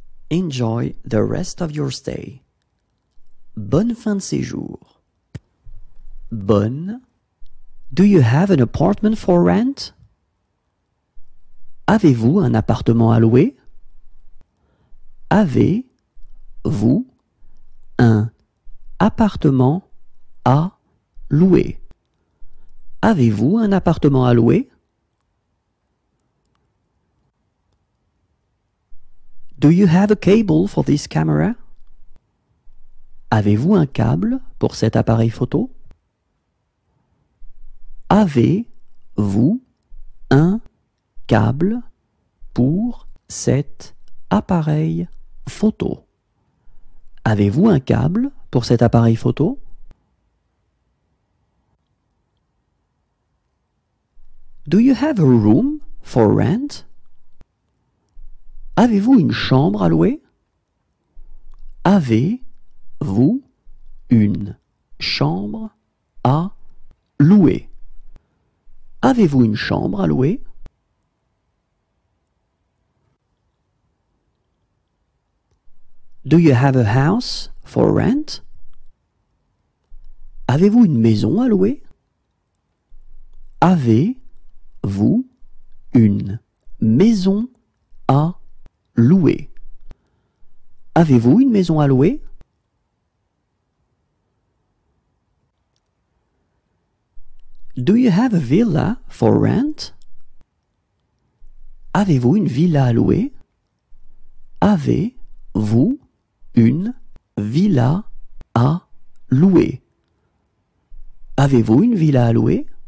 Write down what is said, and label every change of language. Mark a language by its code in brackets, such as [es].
[en] Enjoy the rest of your stay. [fr] Bonne fin de séjour. Bonne. [en] Do you have an apartment for rent? [fr] Avez-vous un appartement à louer? Avez-vous un appartement à louer? Avez-vous un appartement à louer? [en] Do you have a cable for this camera? [fr] Avez-vous un câble pour cet appareil photo? Avez-vous un câble pour cet appareil photo? Avez-vous un câble pour cet appareil photo? [en] Do you have a room for rent? [fr] Avez-vous une chambre à louer? Avez-vous une chambre à louer? Avez-vous une chambre à louer? [en] Do you have a house for rent? [fr] Avez-vous une maison à louer? Avez-vous une maison à louer? Avez-vous une maison à louer? [en] Do you have a villa for rent? [fr] Avez-vous une villa à louer? Avez-vous une villa à louer? Avez-vous une villa à louer?